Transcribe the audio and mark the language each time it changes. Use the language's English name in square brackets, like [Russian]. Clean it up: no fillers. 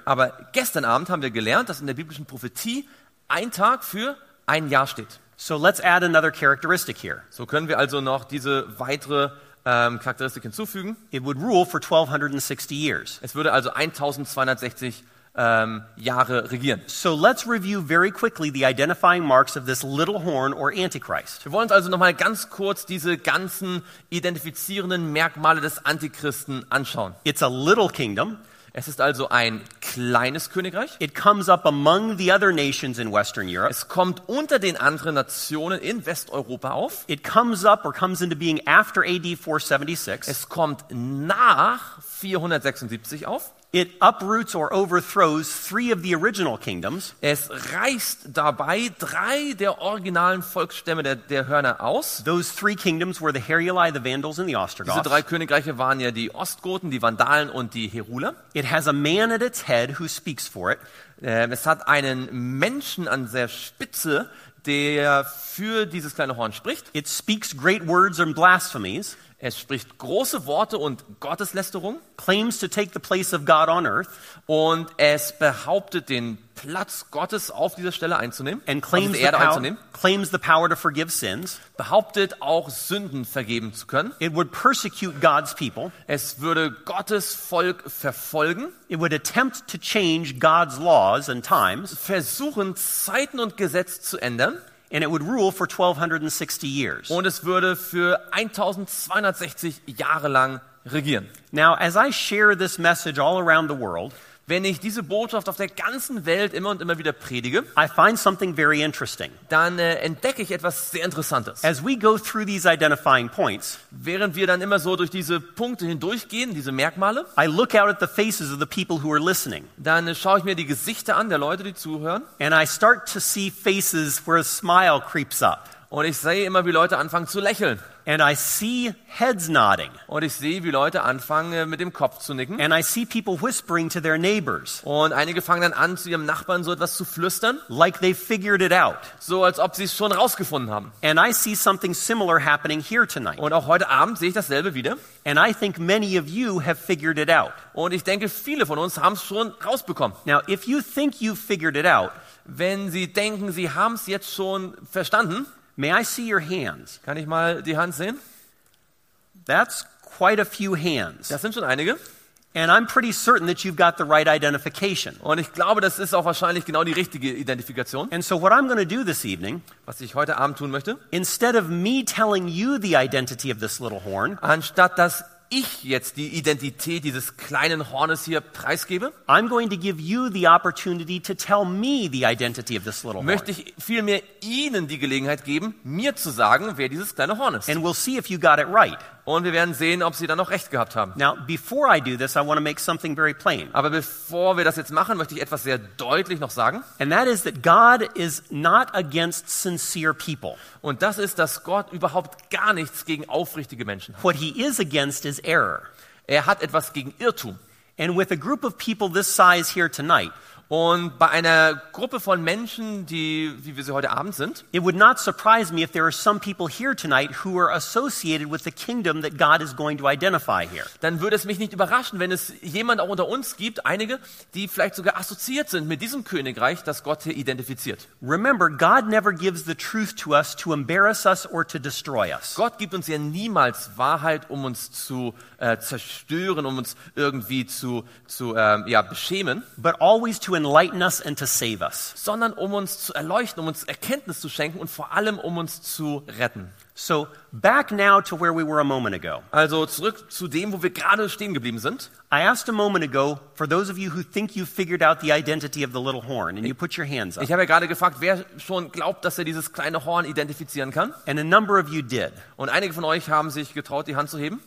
[German] Aber gestern Abend haben wir gelernt, dass in der biblischen Prophetie ein Tag für ein Jahr steht. [English] So let's add another characteristic here. [German] So können wir also noch diese weitere Charakteristik hinzufügen. [English] It would rule for 1260 years. [German] Es würde also 1260 Jahre regieren. [English] So let's review very quickly the identifying marks of this little horn or Antichrist. [German] Wir wollen uns also noch mal ganz kurz diese ganzen identifizierenden Merkmale des Antichristen anschauen. [English] It's a little kingdom. [German] Es ist also ein kleines Königreich. [English] It comes up among the other nations in Western Europe. [German] Es kommt unter den anderen Nationen in Westeuropa auf. [English] It comes up or comes into being after AD 476. [German] Es kommt nach 476 auf. [English] It uproots or overthrows three of the original kingdoms. [German] Es reißt dabei drei der originalen Volksstämme der Hörner aus. [English] Those three kingdoms were the Heruli, the Vandals and the Ostrogoths. [German] Diese drei Königreiche waren ja die Ostgoten, die Vandalen und die Heruler. [English] It has a man at its head who speaks for it. [German] Es hat einen Menschen an der Spitze, der für dieses kleine Horn spricht. [English] It speaks great words and blasphemies. [German] Es spricht große Worte und Gotteslästerung. [English] Claims to take the place of God on earth. [German] Und es behauptet, den Platz Gottes auf dieser Stelle einzunehmen. [English] And claims, [German] auf der Erde einzunehmen. [English] Claims the power to forgive sins. [German] Behauptet, auch Sünden vergeben zu können. [English] It would persecute God's people. [German] Es würde Gottes Volk verfolgen. [English] It would attempt to change God's laws and times. [German] Versuchen, Zeiten und Gesetze zu ändern. [English] And it would rule for 1260 years. [German] Und es würde für 1260 Jahre lang regieren. [English] Now, as I share this message all around the world, [German] wenn ich diese Botschaft auf der ganzen Welt immer und immer wieder predige, [English] I find something very interesting. [German] Dann entdecke ich etwas sehr Interessantes. [English] As we go through these identifying points, [German] während wir dann immer so durch diese Punkte hindurchgehen, diese Merkmale, [English] I look out at the faces of the people who are listening. [German] Dann schaue ich mir die Gesichter an der Leute, die zuhören, [English] and I start to see faces where a smile creeps up. [German] Und ich sehe immer, wie Leute anfangen zu lächeln. [English] And I see heads nodding. [German] Und ich sehe, wie Leute anfangen, mit dem Kopf zu nicken. [English] And I see people whispering to their neighbors. [German] Und einige fangen dann an, zu ihrem Nachbarn so etwas zu flüstern. [English] Like they figured it out. [German] So, als ob sie es schon rausgefunden haben. [English] And I see something similar happening here tonight. [German] Und auch heute Abend sehe ich dasselbe wieder. [English] And I think many of you have figured it out. [German] Und ich denke, viele von uns haben es schon rausbekommen. [English] Now, if you think you've figured it out, [German] wenn Sie denken, Sie haben es jetzt schon verstanden, [English] may I see your hands? [German] Kann ich mal die Hand sehen? [English] That's quite a few hands. [German] Das sind schon einige. [English] And I'm pretty certain that you've got the right identification. [German] Und ich glaube, das ist auch wahrscheinlich genau die richtige Identifikation. [English] And so what I'm going to do this evening, [German] was ich heute Abend tun möchte, [English] instead of me telling you the identity of this little horn, [German] anstatt dass ich jetzt die Identität dieses kleinen Hornes hier preisgebe, [English] I'm going to give you the opportunity to tell me the identity of this little horn. [German] Möchte ich vielmehr Ihnen die Gelegenheit geben, mir zu sagen, wer dieses kleine Horn ist. [English] And we'll see if you got it right. [German] Und wir werden sehen, ob Sie dann noch recht gehabt haben. [English] Now, before I do this, I want to make something very plain. [German] Aber bevor wir das jetzt machen, möchte ich etwas sehr deutlich noch sagen. [English] And that is that God is not against sincere people. [German] Und das ist, dass Gott überhaupt gar nichts gegen aufrichtige Menschen hat. [English] What he is against is error. [German] Er hat etwas gegen Irrtum. [English] And with a group of people this size here tonight, [German] und bei einer Gruppe von Menschen, die, wie wir sie heute Abend sind, [English] it would not surprise me if there are some people here tonight who are associated with the kingdom that God is going to identify here. [German] Dann würde es mich nicht überraschen, wenn es jemand auch unter uns gibt, einige, die vielleicht sogar assoziiert sind mit diesem Königreich, das Gott hier identifiziert. [English] Remember, God never gives the truth to us to embarrass us or to destroy us. [German] Gott gibt uns ja niemals Wahrheit, um uns zu zerstören, um uns irgendwie zu beschämen. [English] But always to enlighten us and to save us. [German] Sondern um uns zu erleuchten, um uns Erkenntnis zu schenken und vor allem um uns zu retten. [English] So, back now to where we were a moment ago. [German] Also zurück zu dem, wo wir gerade stehen geblieben sind. [English] I asked a moment ago for those of you who think you figured out the identity of the little horn and you put your hands up. [German] Ich habe ja gerade gefragt, wer schon glaubt, dass er dieses kleine Horn identifizieren kann. [English] And a number of you did. [German] Und einige von euch haben sich getraut, die Hand zu heben.